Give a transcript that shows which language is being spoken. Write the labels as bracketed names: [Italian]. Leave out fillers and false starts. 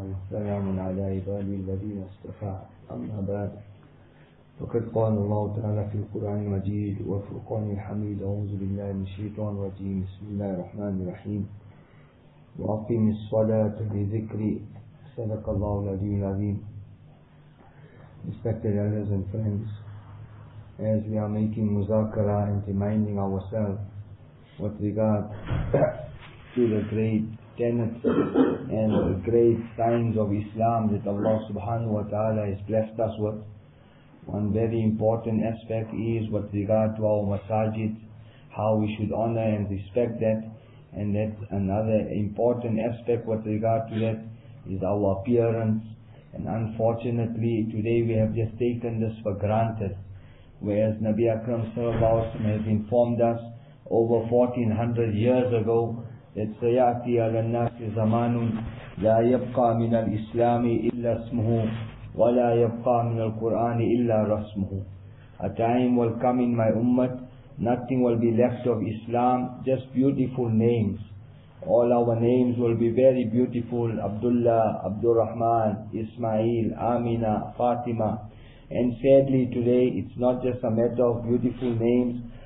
[Arabic] سلام على عبادي الذين اصطفى. أما بعد، فقد قال الله تعالى في القرآن المجيد والفرقان الحميد: أعوذ بالله من الشيطان الرجيم، بسم الله الرحمن الرحيم. وأقم الصلاة لذكري، صدق الله العلي العظيم. [English] Respected elders and friends, as we are making muzakara and reminding ourselves with regard to the great tenets and the great signs of Islam that Allah subhanahu wa ta'ala has blessed us with, one very important aspect is with regard to our masajid, how we should honor and respect that, and that another important aspect with regard to that is our appearance. And unfortunately, today we have just taken this for granted. Whereas Nabi Akram sallallahu alayhi wa sallam has informed us over 1400 years ago that [Arabic] سَيَأْتِي عَلَى النَّاسِ زَمَانٌ لَا يَبْقَى مِنَ الْإِسْلَامِ إِلَّا اسْمُهُ وَلَا يَبْقَى مِنَ الْقُرْآنِ إِلَّا رَسْمُهُ. [English] A time will come in my ummah, nothing will be left of Islam, just beautiful names. All our names will be very beautiful: Abdullah, Abdul Rahman, Ismail, Amina, Fatima. And sadly today, it's not just a matter of beautiful names.